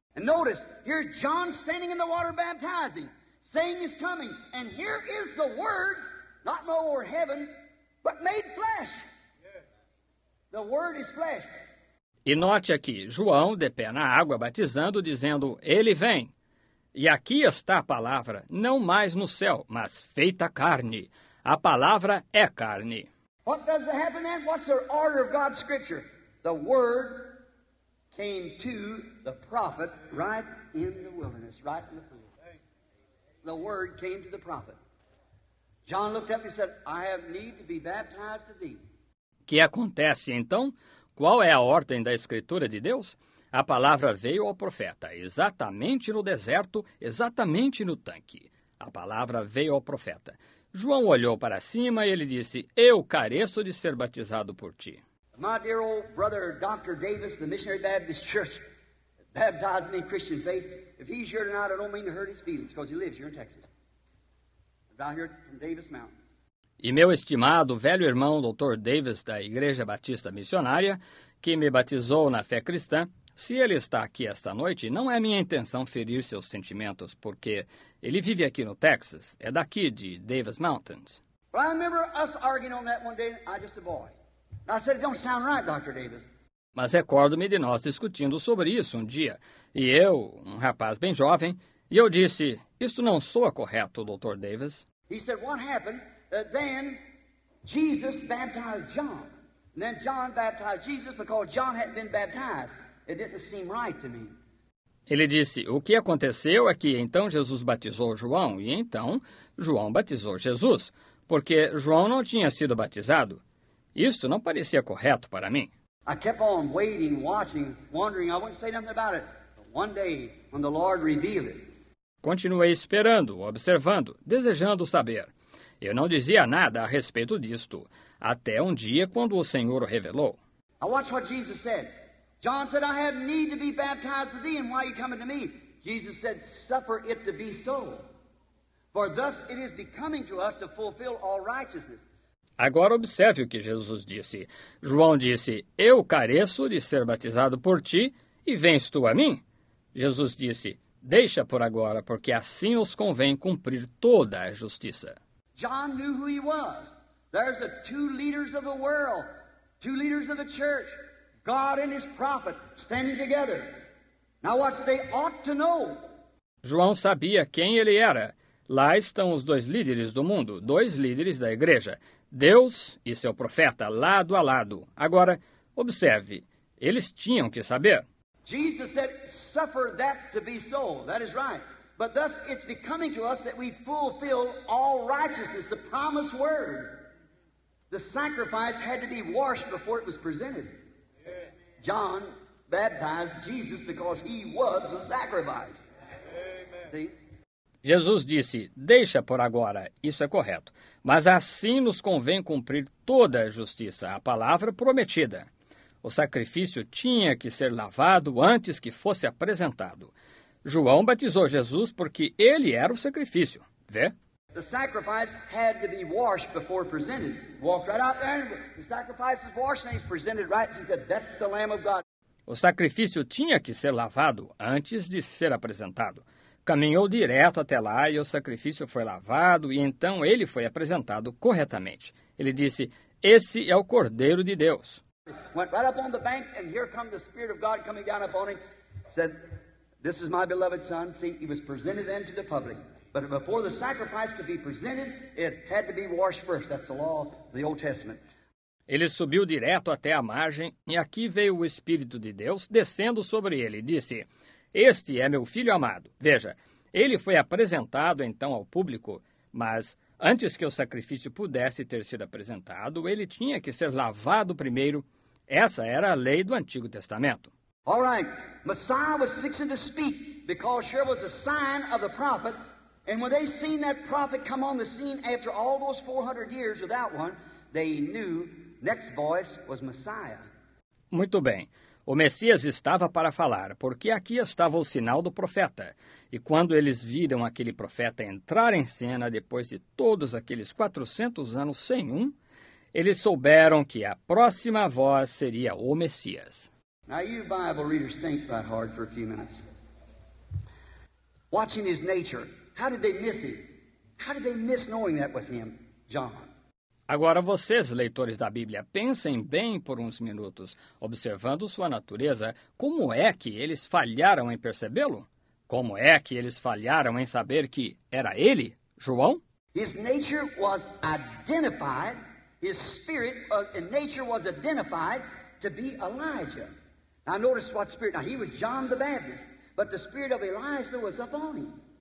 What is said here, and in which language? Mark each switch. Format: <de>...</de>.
<en>And notice, here John standing in the water baptizing, saying he's coming, and here is the word, not lower heaven, but made flesh. The word is flesh.</en> <pt>E note aqui, João de pé na água batizando, dizendo, ele vem. E aqui está a palavra, não mais no céu, mas feita carne. A palavra é carne.</pt> <en>What does happen then? What's the order of God's scripture? The word came to the prophet right in the wilderness, right in the field. The word came to the prophet. John looked up and said, I have need to be baptized to thee.</en> <pt>Que acontece então? Qual é a ordem da escritura de Deus? A palavra veio ao profeta, exatamente no deserto, exatamente no tanque. A palavra veio ao profeta. João olhou para cima e ele disse, eu careço de ser batizado por ti.</pt> <en>My dear old brother, Dr. Davis, the Missionary Baptist Church, baptized me in Christian faith. If he's here tonight, I don't mean to hurt his feelings, because he lives here in Texas. Down here from Davis Mountain.</en> <pt>E meu estimado velho irmão, Dr. Davis, da Igreja Batista Missionária, que me batizou na fé cristã, se ele está aqui esta noite, não é minha intenção ferir seus sentimentos, porque ele vive aqui no Texas, é daqui, de Davis Mountains.</pt> <en>Well, I remember us arguing on that one day, I just a boy. And I said, it don't sound right, Dr. Davis.</en> <pt>Mas recordo-me de nós discutindo sobre isso um dia, e eu, um rapaz bem jovem, e eu disse, isso não soa correto, Dr. Davis.</pt> <en>He said, what happened? Then Jesus baptized John. And then John baptized Jesus because John hadn't been baptized. It didn't seem right to me.</en> <pt>Ele disse, o que aconteceu é que então Jesus batizou João, e então João batizou Jesus, porque João não tinha sido batizado. Isto não parecia correto para mim.</pt> <en>I kept on waiting, watching, wondering. I wouldn't say nothing about it. But one day, when the Lord revealed it.</en> <pt>Continuei esperando, observando, desejando saber. Eu não dizia nada a respeito disto, até um dia quando o Senhor o revelou.</pt> <en>I watched what Jesus said. John said, I have need to be baptized to thee, and why are you coming to me? Jesus said, suffer it to be so. For thus it is becoming to us to fulfill all righteousness.</en> <pt>Agora observe o que Jesus disse. João disse, eu careço de ser batizado por ti, e vens tu a mim? Jesus disse, deixa por agora, porque assim os convém cumprir toda a justiça.</pt> <en>John knew who he was. There's the two leaders of the world, two leaders of the church. God and his prophet standing together. Now watch, they ought to know.</en> <pt>João sabia quem ele era. Lá estão os dois líderes do mundo, dois líderes da igreja. Deus e seu profeta, lado a lado. Agora, observe, eles tinham que saber.</pt> <en>Jesus said, suffer that to be so. That is right. But thus it's becoming to us that we fulfill all righteousness, the promised word. The sacrifice had to be washed before it was presented. John baptized Jesus because he was the sacrifice. Amen.</en> <pt>Jesus disse, deixa por agora, isso é correto. Mas assim nos convém cumprir toda a justiça, a palavra prometida. O sacrifício tinha que ser lavado antes que fosse apresentado. João batizou Jesus porque ele era o sacrifício. Vê?</pt> <en>The sacrifice had to be washed before presented. Walked right out there and the sacrifice is washed and he's presented right. And he said, that's the Lamb of God.</en> <pt>O sacrifício tinha que ser lavado antes de ser apresentado. Caminhou direto até lá e o sacrifício foi lavado e então ele foi apresentado corretamente. Ele disse, esse é o Cordeiro de Deus.</pt> <en>Went right up on the bank and here come the Spirit of God coming down upon him. Said, this is my beloved son. See, he was presented then to the public. But before the sacrifice could be presented, it had to be washed first. That's the law of the Old Testament.</en> <pt>Ele subiu direto até a margem, e aqui veio o Espírito de Deus descendo sobre ele e disse: Este é meu filho amado. Veja, ele foi apresentado então ao público, mas antes que o sacrifício pudesse ter sido apresentado, ele tinha que ser lavado primeiro. Essa era a lei do Antigo Testamento.</pt> <en>All right, Messiah was fixing to speak because here was a sign of the prophet. And when they seen that prophet come on the scene after all those 400 years without one, they knew next voice was Messiah.</en> <pt>Muito bem. O Messias estava para falar, porque aqui estava o sinal do profeta. E quando eles viram aquele profeta entrar em cena depois de todos aqueles 400 anos sem um, eles souberam que a próxima voz seria o Messias.</pt> <en>Now you Bible readers think about hard for a few minutes. Watching his nature, how did they miss him? How did they miss knowing that was him, John?</en> <pt>Agora vocês, leitores da Bíblia, pensem bem por uns minutos, observando sua natureza, como é que eles falharam em percebê-lo? Como é que eles falharam em saber que era ele, João?</pt> <en>His nature was identified, his spirit and nature was identified to be Elijah. Now notice what spirit, now he was John the Baptist, but the spirit of Elijah was upon him.</en>